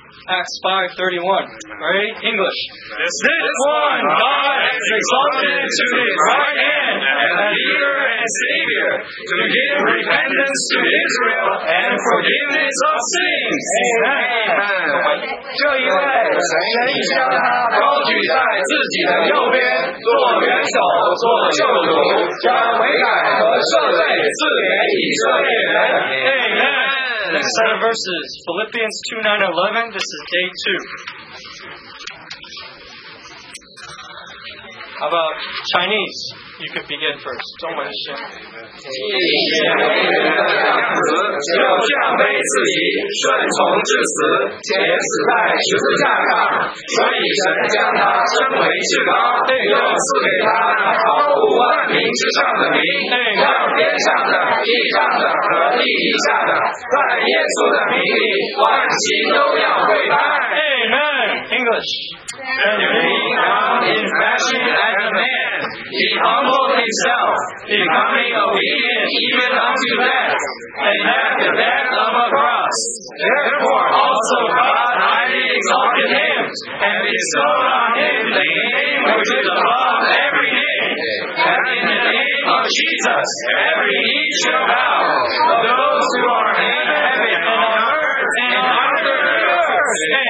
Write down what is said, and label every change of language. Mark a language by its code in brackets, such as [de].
[en] Acts 5:31. Ready? English. This one God has exalted to his right hand as leader and savior to give repentance to Israel and forgiveness of sins. Amen. [zh] 这一位神已将他高举在自己的右边做元首做救主将悔改和赦罪赐给以色列人。 [en] Amen. Next set of verses, Philippians 2:9-11, this is day 2. How about Chinese? You can begin first. [zh] 中文是。就像被自己顺从至死，且死在十字架上，所以神将他升为至高，又赐给他超乎万民之上的名，让天上的、地上的和地底下的，在耶稣的名里，万膝都要跪拜。 [en] Amen. English. And he came in fashion as a man. He humbled himself, becoming obedient even unto death. And at the death of a cross. Therefore also God highly exalted him, and bestowed on him the name which is above every name, that in the name of Jesus every knee shall bow, those who are in heaven and on earth and under the earth.